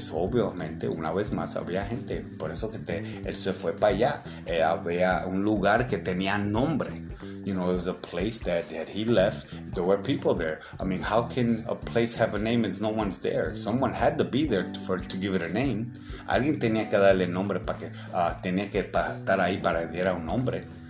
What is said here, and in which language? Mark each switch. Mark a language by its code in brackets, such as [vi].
[es] So, obviamente, una vez más, había gente. Por eso que él se fue para allá. Había un lugar que tenía nombre. [en] You know, it was a place that he left. There were people there. I mean, how can a place have a name and no one's there? Someone had to be there to give it a name. [es] Alguien tenía que darle nombre para que tenía que estar ahí para que diera un nombre.